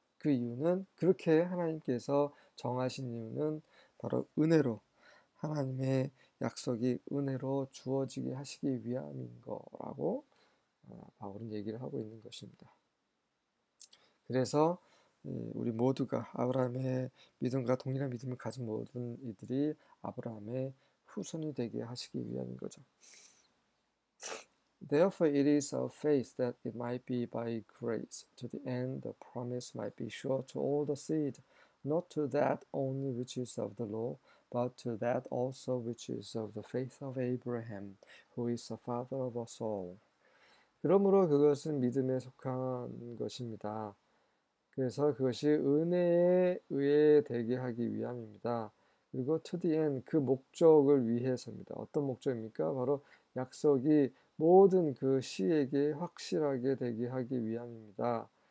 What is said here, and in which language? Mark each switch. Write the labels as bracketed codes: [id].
[ko] 그 이유는 그렇게 하나님께서 정하신 이유는 바로 은혜로 하나님의 약속이 은혜로 주어지게 하시기 위함인 거라고 바울은 얘기를 하고 있는 것입니다. 그래서 우리 모두가 아브라함의 믿음과 동일한 믿음을 가진 모든 이들이 아브라함의 후손이 되게 하시기 위함인 거죠. [en] Therefore, it is of faith that it might be by grace, to the end the promise might be sure to all the seed, not to that only which is of the law, but to that also which is of the faith of Abraham, who is the father of us all. [ko] 그러므로 그것은 믿음에 속한 것입니다. 그래서 그것이 은혜에 의해 되게 하기 위함입니다. 그리고 [en] to the end, [ko] 그 목적을 위해서입니다. 어떤 목적입니까? 바로 약속이 모든 그 씨에게 확실하게 되게 하기 위함입니다.